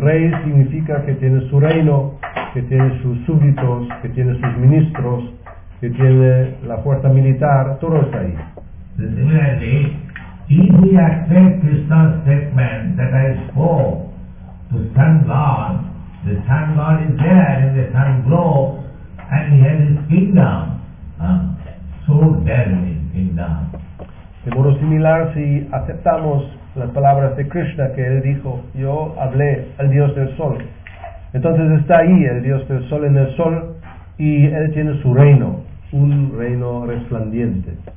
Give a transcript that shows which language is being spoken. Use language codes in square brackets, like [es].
[es] Rey significa que tiene su reino, que tiene sus súbditos, que tiene sus ministros, que tiene la fuerza militar, todo está ahí. [en] Similarly, if we accept Krishna's statement that I spoke, the sun god, the sun god is there in the sun globe and he has his kingdom. So there is kingdom. [es] De modo similar, si aceptamos las palabras de Krishna que él dijo, yo hablé al Dios del Sol, entonces está ahí el Dios del Sol en el Sol y él tiene su reino, un reino resplandiente.